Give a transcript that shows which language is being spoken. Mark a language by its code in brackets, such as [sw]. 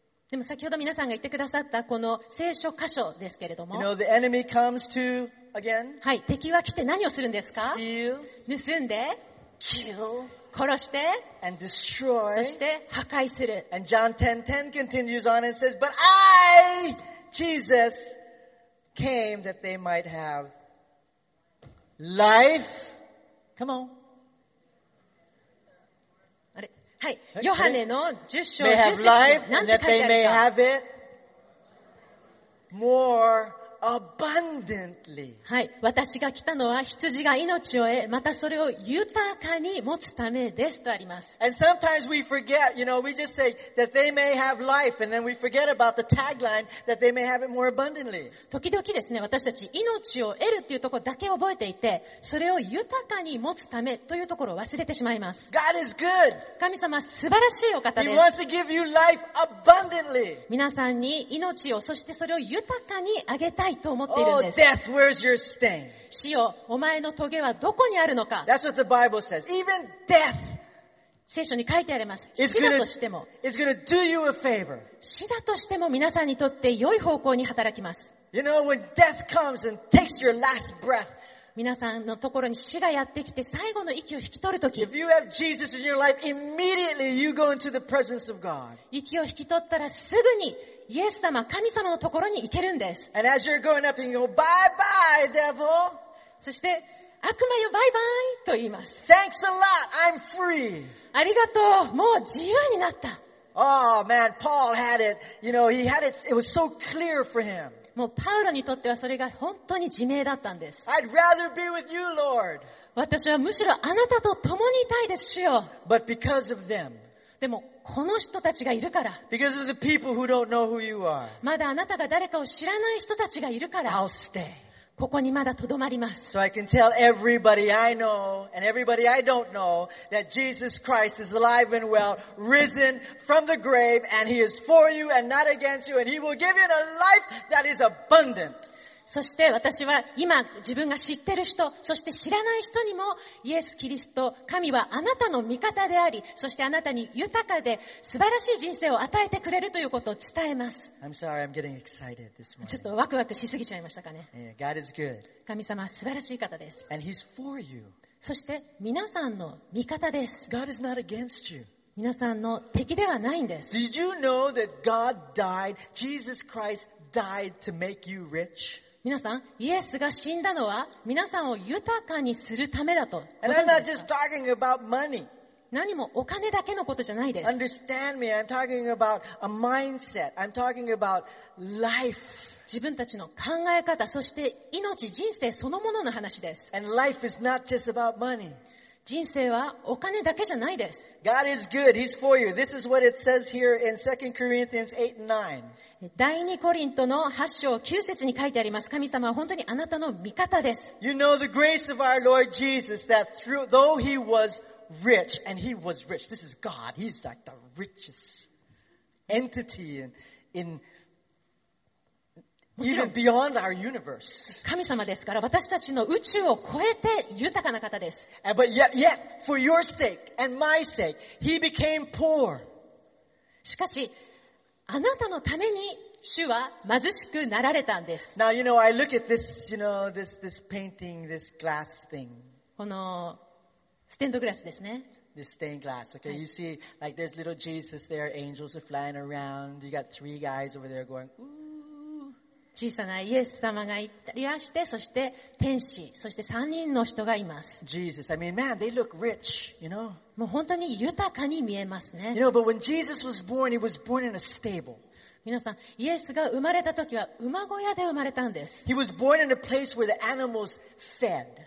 [ja] でも先ほど皆さんが言ってくださったこの聖書箇所ですけれども、 [en] you know, the enemy comes to, again, [ja] はい、敵は来て何をするんですか? [en] Steal, [ja] 盗んで、 [en] kill, [ja] 殺して、 [en] and destroy, [ja] そして破壊する。 [en] And John 10:10 continues on and says, But I, Jesus, came that they might have life. Come on. [ja] はい、ヨハネの10章10節に何て書いてあるか。 [en] That they may have it more abundantly. [ja] はい、私が来たのは羊が命を得、またそれを豊かに持つためですとあります。 [en] And sometimes we forget, you know, we just say that they may have life, and then we forget about the tagline that they may have it more abundantly. [ja] 時々ですね、私たち命を得るっていうところだけ覚えていて、それを豊かに持つためというところを忘れてしまいます。 [en] God is good. [ja] 神様素晴らしいお方です。 [en] He wants to give you life abundantly. [ja] 皆さんに命を、そしてそれを豊かにあげたい。 [en] Oh, death, where's your sting? [ja] 死よ、お前のトゲはどこにあるのか? [en] That's what the Bible says. Even death. [ja] 聖書に書いてあります。死だとしても。 [en] It's gonna do you a favor. [ja] 死だとしても皆さんにとって良い方向に働きます。 [en] You know, when death comes and takes your last breath. [ja] 皆さんのところに死がやってきて最後の息を引き取るとき。 [en] If you have Jesus in your life, immediately you go into the presence of God. [ja] 息を引き取ったらすぐにイエス様、神様のところに行けるんです。 [en] And as you're going up, you go, bye bye, devil. [ja] そして、悪魔よ、バイバイと言います。 [en] Thanks a lot, I'm free. [ja] ありがとう、もう自由になった。 [en] Oh man, Paul had it. You know, he had it. It was so clear for him. [ja] もうパウロにとってはそれが本当に自明だったんです。 [en] I'd rather be with you, Lord. [ja] 私はむしろあなたと共にいたいです、主よ。 [en] But because of them. [ja] でも、この人たちがいるから。 [en] Because of the people who don't know who you are. [ja] まだあなたが誰かを知らない人たちがいるから。 [en] I'll stay. [ja] ここにまだ留まります。 [en] So I can tell everybody I know and everybody I don't know that Jesus Christ is alive and well, risen from the grave, and he is for you and not against you, and he will give you a life that is abundant. [ja] そして私は今自分が知ってる人、そして知らない人にもイエス・キリスト、神はあなたの味方であり、そしてあなたに豊かで素晴らしい人生を与えてくれるということを伝えます。 [en] I'm sorry, I'm getting excited this morning. [ja] ちょっとワクワクしすぎちゃいましたかね。 [en] God is good. [ja] 神様は素晴らしい方です。 [en] And he's for you. [ja] そして皆さんの味方です。 [en] God is not against you. [ja] 皆さんの敵ではないんです。 [en] Did you know that God died, Jesus Christ died to make you rich? [ja] 皆さん、イエスが死んだのは皆さんを豊かにするためだと。 [en] And I'm not just talking about money. [ja] 何もお金だけのことじゃないです。 [en] Understand me, I'm talking about a mindset. I'm talking about life. [ja] 自分たちの考え方、そして命、人生そのものの話です。 [en] And life is not just about money. [ja] 人生はお金だけじゃないです。 [en] God is good. He's for you. This is what it says here in 2 Corinthians 8 and 9. [ja] 第二コリントの8章9節に書いてあります。神様は本当にあなたの味方です。 [en] You know the grace of our Lord Jesus that through, though he was rich, and he was rich. This is God. He's like the richest entity in even beyond our universe. [ja] 神様ですから、私たちの宇宙を超えて豊かな方です。 [en] But yet, for your sake and my sake, he became poor. [ja] しかし、あなたのために主は貧しくなられたんです。 [en] Now, you know, I look at this, you know, this painting, this glass thing. [ja] このステンドグラスですね。 [en] This stained glass. Okay, you see, like there's little Jesus there, angels are flying around. You got three guys over there going, ooh. [ja] 小さなイエス様がいらして、そして天使、そして3人の人がいます。 [en] Jesus, I mean, man, they look rich, you know? [ja] もう本当に豊かに見えますね。 [en] You know, but when Jesus was born, he was born in a stable. [ja] 皆さん、イエスが生まれた時は馬小屋で生まれたんです。 [en] He was born in a place where the animals fed.